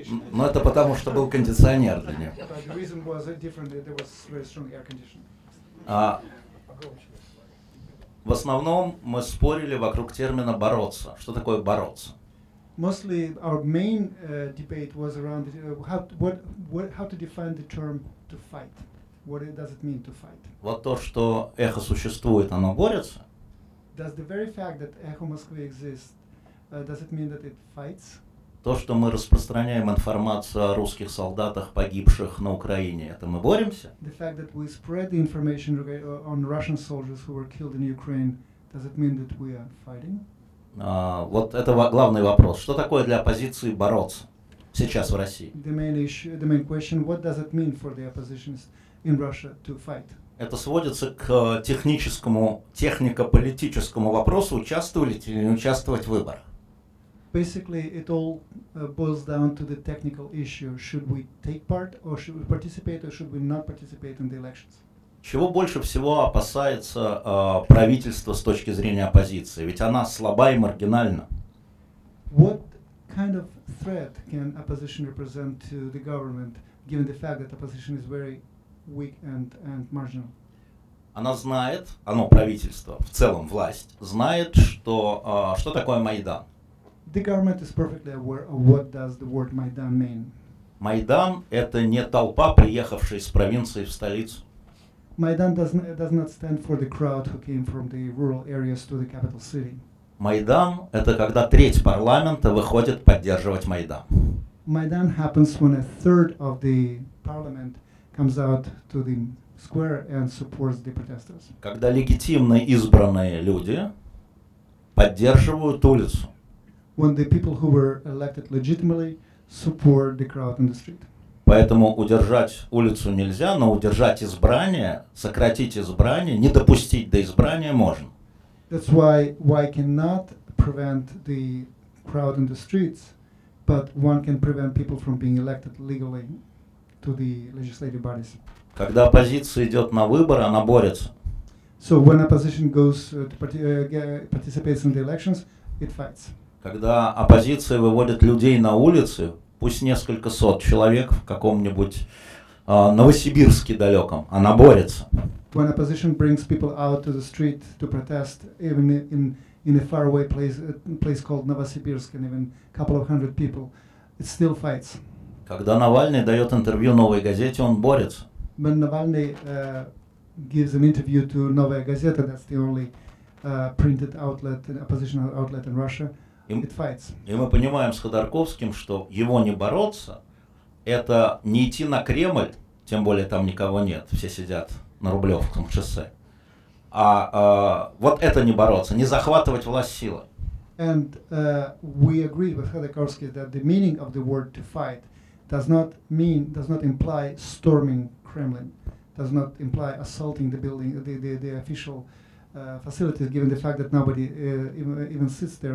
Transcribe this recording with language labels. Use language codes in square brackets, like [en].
[ru] Но это потому, что был кондиционер для него. В основном мы спорили вокруг термина «бороться». Что такое «бороться»? [en] Mostly our main debate was around how to define the term to fight. What does it mean to fight? [ru] Вот то, что эхо существует, оно борется. [en] Does the very fact that Echo Moscow exists, does it mean that it fights? [ru] То, что мы распространяем информацию о русских солдатах, погибших на Украине, это мы боремся? [en] The fact that we spread the information on Russian soldiers who were killed in Ukraine, does it mean that we are fighting? [ru] Вот это главный вопрос. Что такое для оппозиции бороться сейчас в России? [en] The main issue, the main question, what does it mean for the oppositions in Russia to fight? [ru] Это сводится к техническому, технико-политическому вопросу, участвовали или не участвовать в выборах. [en] Basically, it all boils down to the technical issue. Should we take part, or should we participate, or should we not participate in the elections? [ru] Чего больше всего опасается правительство с точки зрения оппозиции? Ведь она слаба и маргинальна. [en] What kind of threat can opposition represent to the government, given the fact that opposition is very weak and marginal. [ru] Она знает, оно правительство, в целом власть, знает, что что такое Майдан. [en] The government is perfectly aware of what does the word Майдан mean. [ru] Майдан — это не толпа, приехавшая из провинции в столицу. [en] Майдан does not stand for the crowd who came from the rural areas to the capital city. [ru] Майдан — это когда треть парламента выходит поддерживать Майдан. [en] Майдан happens when a third of the parliament comes out to the square and supports the protesters. [ru] Когда легитимно избранные люди поддерживают улицу. [en] When the people who were elected legitimately support the crowd in the street. [ru] Поэтому удержать улицу нельзя, но удержать избрание, сократить избрание, не допустить до избрания можно. [en] That's why cannot prevent the crowd in the streets, but one can prevent people from being elected legally to the legislative bodies. [ru] Когда оппозиция идет на выборы, она борется. [en] So when opposition goes to participates in the elections, it fights. [ru] Когда оппозиция выводит людей на улицы, пусть несколько сот человек в каком-нибудь Новосибирске далеком, она борется. [en] When opposition brings people out to the street to protest, even in a faraway place called Novosibirsk, and even a couple of hundred people, it still fights. [ru] Когда Навальный дает интервью «Новой газете», он борется. [en] When Navalny gives an interview to Novaya Gazeta, that's the only printed outlet, opposition outlet in Russia, it fights. [ru] И мы понимаем с Ходорковским, что его не бороться, это не идти на Кремль, тем более там никого нет, все сидят на Рублевском шоссе. А вот это не бороться, не захватывать власть силой. [en] And we agree with Ходорковский that the meaning of the word to fight does not imply storming Kremlin, does not imply assaulting the building, the official facilities, given the fact that nobody even sits there.